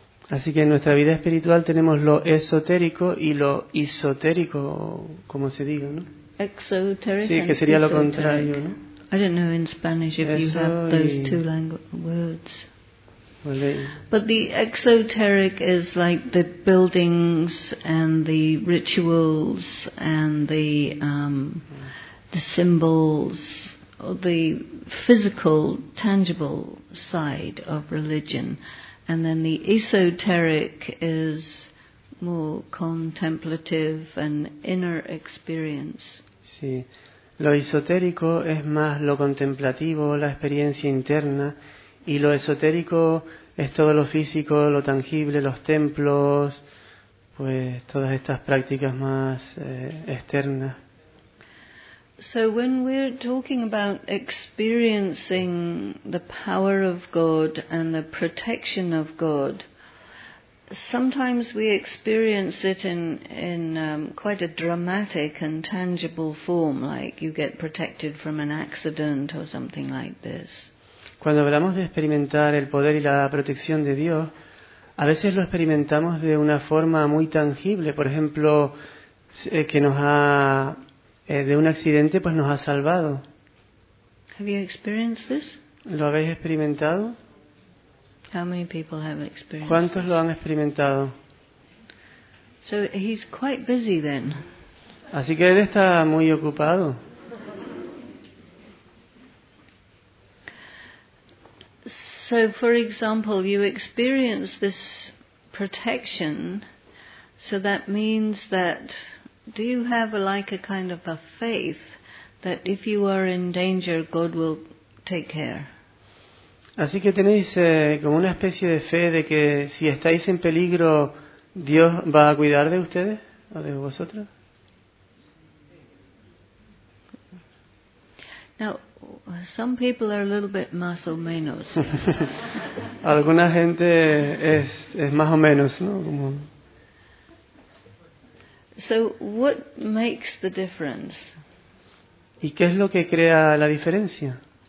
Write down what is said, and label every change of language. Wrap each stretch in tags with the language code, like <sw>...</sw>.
<es>Así que en nuestra vida espiritual tenemos lo esotérico y lo esotérico, como se diga, ¿no?</es> <en>Exoteric.</en> <es>Sí, que sería</es> <en>esoteric.</en> <es>Lo contrario, ¿no?</es> <en>I don't know in Spanish if</en> <es>eso</es> <en>you have those two words.</en> <es>Vale.</es> <en>But the exoteric is like the buildings and the rituals and the symbols, or the physical, tangible side of religion. And then the esoteric is more contemplative and inner experience.</en> <es>Sí. Lo esotérico es más lo contemplativo, la experiencia interna, y lo esotérico es todo lo físico, lo tangible, los templos, pues todas estas prácticas más externas.</es> <en>So when we're talking about experiencing the power of God and the protection of God, sometimes we experience it in quite a dramatic and tangible form, like you get protected from an accident or something like this.</en> <es>Cuando hablamos de experimentar el poder y la protección de Dios, a veces lo experimentamos de una forma muy tangible, por ejemplo, que nos ha de un accidente, pues nos ha salvado.</es> <en>Have you experienced this?</en> <es>¿Lo habéis experimentado?</es> <en>How many people have experienced?</en> <es>¿Cuántos lo han experimentado?</es> <en>So he's quite busy then.</en> <es>Así que él está muy ocupado.</es> <en>So so, for example, you experience this protection, so that means that, do you have a kind of a faith that if you are in danger, God will take care?</en> <es>Así que tenéis como una especie de fe de que si estáis en peligro, Dios va a cuidar de ustedes o de vosotros.</es> <en>Now, some people are a little bit</en> <es>más o menos. Alguna gente es más o menos, ¿no? Como...</es> <en>So, what makes the difference?</en> <es>¿Y qué es lo que crea la diferencia?</es>